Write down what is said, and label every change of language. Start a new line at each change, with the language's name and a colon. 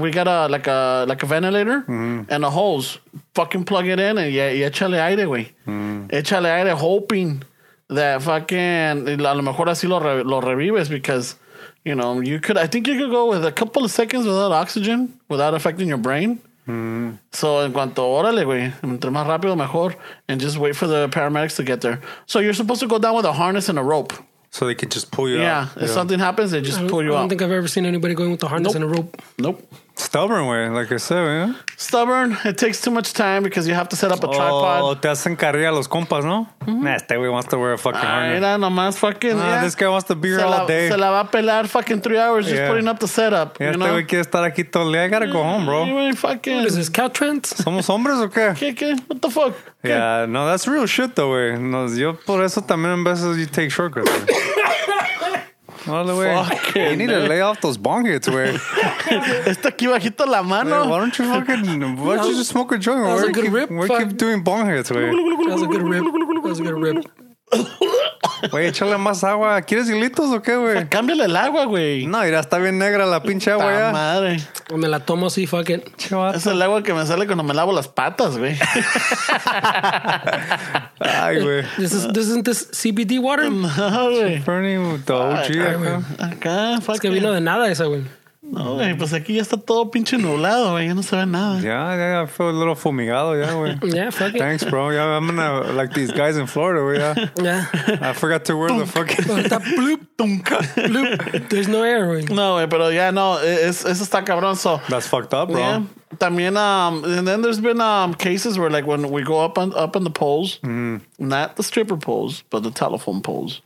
English: We got a ventilator and a hose. Fucking plug it in and
Spanish: échale aire,
English: güey.
Spanish: Échale aire,
English: hoping that fucking
Spanish: a lo mejor así lo revives because.
English: You know, I think you could go with a couple of seconds without oxygen, without affecting your brain.
Spanish: So, en cuanto, órale, güey, entre más rápido, mejor.
English: And just wait for the paramedics to get there. So, you're supposed to go down with a harness and a rope. So, they can just pull you out. Yeah, if something happens, they just pull you out. I don't think I've ever seen anybody going with a harness and a rope. Nope. Stubborn way, like I said, yeah. Stubborn. It takes too much time because you have to set up a tripod. Oh,
Spanish: te hacen carrilla los compas, no?
English: Mm-hmm. Nah,
Spanish: este güey
English: wants to wear a fucking harness.
Spanish: Mira, nomás fucking,
English: this guy wants to be here all day.
Spanish: Se la va a pelar
English: fucking 3 hours just putting up the setup.
Spanish: Yeah, este güey quiere estar aquí todo el día.
English: I gotta go home, bro. You ain't fucking... What is this, Caltrans?
Spanish: ¿Somos hombres o qué?
English: ¿Qué? What the fuck? Okay. Yeah, no, that's real shit, though, güey. No,
Spanish: yo por eso también en veces
English: you take shortcuts, güey. All the way. Fucking, you need to lay off those bong hits, güey.
Spanish: Está aquí bajito la mano.
English: Why don't you fucking... Why don't you just smoke a joint? That was a good rip. We keep doing bong hits, güey. That was a good rip.
Spanish: Güey, échale más agua. ¿Quieres hilitos o qué, güey? Cámbiale el agua, güey. No, mira, está bien negra la pinche agua ya. ¡Puta madre! Me la tomo así,
English: fuck it.
Spanish: Es el agua que me sale cuando me lavo las patas, güey. Ay, güey.
English: Isn't this CBD water?
Spanish: No, güey.
English: Burning the OG, güey.
Spanish: Acá, fuck es que vino de nada esa, güey. No, güey, pues aquí ya está todo pinche nublado, güey. Ya no se ve nada.
English: Ya, I feel a little fumigado, güey. Yeah, fuck it. Thanks, bro. Yeah, I'm gonna, like these guys in Florida, güey. Yeah. I forgot to wear the fucking... Bloop, dunk, bloop. There's no air, güey.
Spanish: No, güey, pero ya no. Eso está cabrón, so...
English: That's fucked up, bro. Yeah. También, and then there's been cases where, like, when we go up on the poles, not the stripper poles, but the telephone poles.